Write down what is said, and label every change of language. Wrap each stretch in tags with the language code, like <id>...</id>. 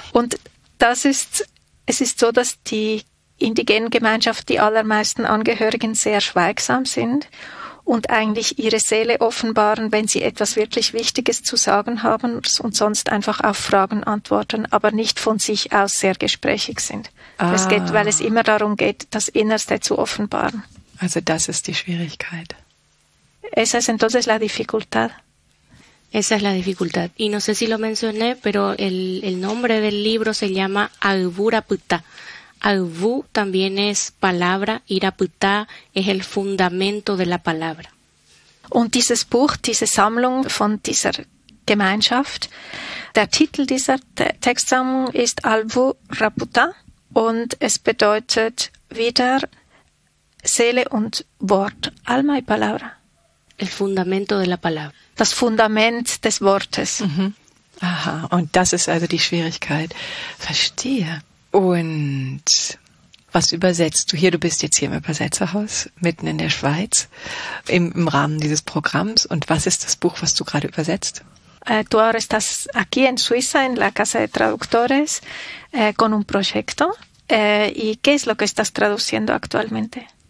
<de>Und es ist so, dass die indigenen Gemeinschaft, die allermeisten Angehörigen, sehr schweigsam sind und eigentlich ihre Seele offenbaren, wenn sie etwas wirklich Wichtiges zu sagen haben und sonst einfach auf Fragen antworten, aber nicht von sich aus sehr gesprächig sind. Ah. Es geht, weil es immer darum geht, das Innerste zu offenbaren. Also das ist die Schwierigkeit.</de> <es>Esa es entonces la dificultad. Esa es la dificultad. Y no sé si lo mencioné, pero el nombre del libro se llama Agvuraputta. Agvu también es palabra, Iraputta es el fundamento de la palabra.</es> <de>Und dieses Buch, diese Sammlung von dieser Gemeinschaft, der Titel dieser Textsammlung ist Agvuraputta und es bedeutet wieder Seele und Wort,</de> <es>Alma y Palabra. El fundamento de la palabra.</es> <de>Das Fundament des Wortes. Mhm. Aha, und das ist also die Schwierigkeit. Verstehe. Und was übersetzt du hier? Du bist jetzt hier im Übersetzerhaus, mitten in der Schweiz, im Rahmen dieses Programms. Und was ist das Buch, was du gerade übersetzt?</de> <es>Du ahora estás aquí en Suiza, en la Casa de Traductores, con un proyecto. ¿Y qué es lo que estás traduciendo actualmente?</es>